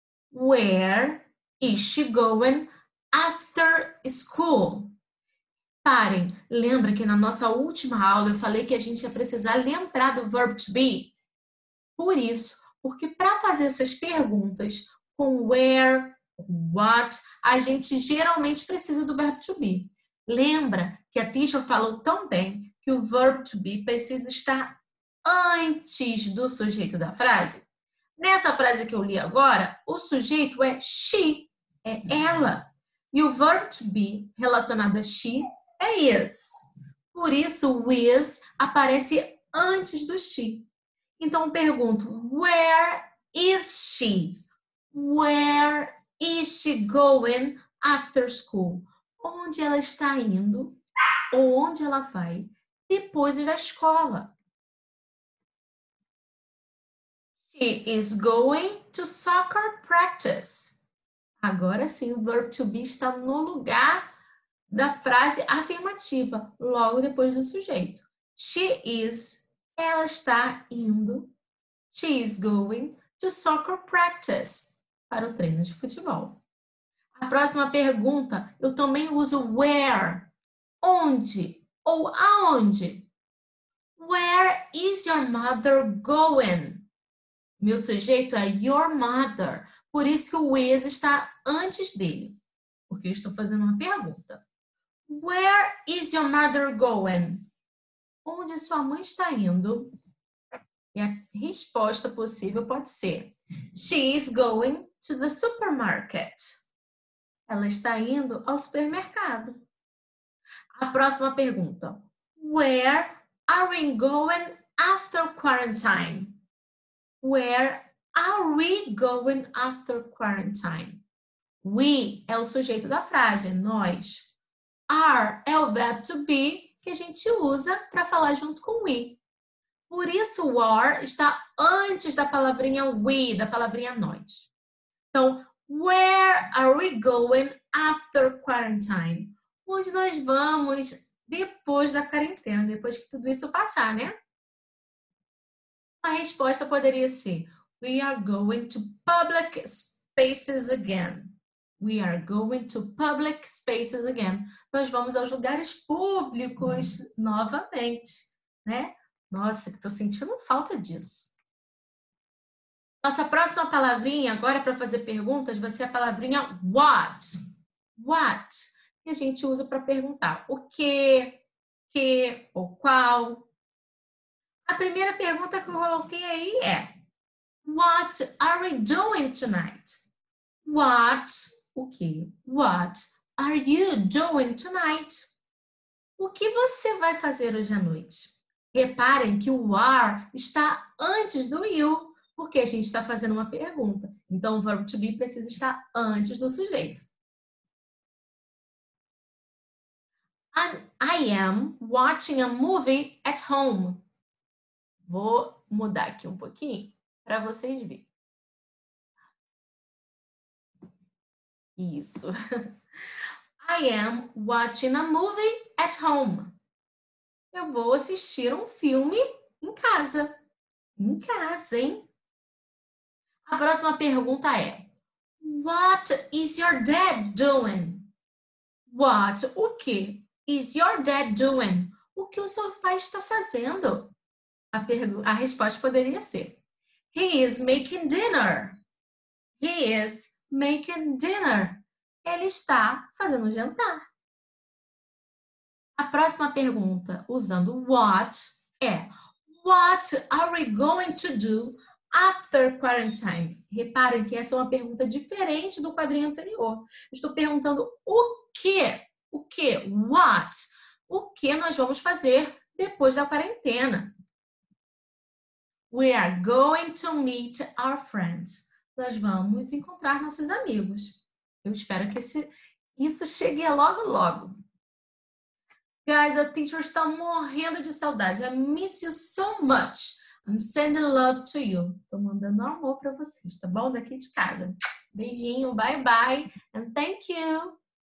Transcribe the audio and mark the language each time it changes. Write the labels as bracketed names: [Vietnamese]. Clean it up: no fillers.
[English] Where is she going after school? [Portuguese] Parem, lembra que na nossa última aula eu falei que a gente ia precisar lembrar do verb to be? Por isso, porque para fazer essas perguntas com where, what, a gente geralmente precisa do verb to be. Lembra que a teacher falou também que o verb to be precisa estar antes do sujeito da frase? Nessa frase que eu li agora, o sujeito é she, é ela. E o verb to be relacionado a she é is. Por isso, o is aparece antes do she. Então, pergunto, [English] where is she? Where is she going after school? [Portuguese] Onde ela está indo ou onde ela vai depois da escola? [English] She is going to soccer practice. [Portuguese] Agora sim, o verb to be está no lugar da frase afirmativa, logo depois do sujeito. [English] She is, [Portuguese] ela está indo. [English] She is going to soccer practice, [Portuguese] para o treino de futebol. A próxima pergunta, eu também uso where, onde ou aonde. [English] Where is your mother going? [Portuguese] Meu sujeito é your mother. Por isso que o is está antes dele, porque eu estou fazendo uma pergunta. [English] Where is your mother going? [Portuguese] Onde sua mãe está indo? E a resposta possível pode ser: [English] she is going to the supermarket. [Portuguese] Ela está indo ao supermercado. A próxima pergunta: [English] where are we going after quarantine? Where are we going after quarantine? [Portuguese] We é o sujeito da frase, nós. Are é o verbo to be que a gente usa para falar junto com we. Por isso, o are está antes da palavrinha we, da palavrinha nós. Então, [English] where are we going after quarantine? [Portuguese] Onde nós vamos depois da quarentena, depois que tudo isso passar, né? A resposta poderia ser: [English] we are going to public spaces again. We are going to public spaces again. [Portuguese] Nós vamos aos lugares públicos novamente, né? Nossa, que estou sentindo falta disso. Nossa próxima palavrinha agora para fazer perguntas vai ser a palavrinha what. What? Que a gente usa para perguntar o quê, que ou qual. A primeira pergunta que eu coloquei aí é: [English] what are we doing tonight? [Portuguese] What, o quê? [English] What are you doing tonight? [Portuguese] O que você vai fazer hoje à noite? Reparem que o are está antes do you, porque a gente está fazendo uma pergunta. Então, o verb to be precisa estar antes do sujeito. [English] I am watching a movie at home. [Portuguese] Vou mudar aqui um pouquinho para vocês verem. Isso. [English] I am watching a movie at home. [Portuguese] Eu vou assistir um filme em casa. Em casa, hein? A próxima pergunta é: [English] what is your dad doing? What, [Portuguese] o que, [English] is your dad doing? [Portuguese] O que o seu pai está fazendo? A resposta poderia ser: [English] he is making dinner. He is making dinner. [Portuguese] Ele está fazendo jantar. A próxima pergunta, usando [English] what, é what are we going to do after quarantine? [Portuguese] Reparem que essa é uma pergunta diferente do quadrinho anterior. Estou perguntando o quê? O quê? What? O que nós vamos fazer depois da quarentena? [English] We are going to meet our friends. [Portuguese] Nós vamos encontrar nossos amigos. Eu espero que isso chegue logo, logo. Guys, a teacher está morrendo de saudade. [English] I miss you so much. I'm sending love to you. [Portuguese] Estou mandando amor para vocês, tá bom? Daqui de casa. Beijinho, [English] bye bye. And thank you.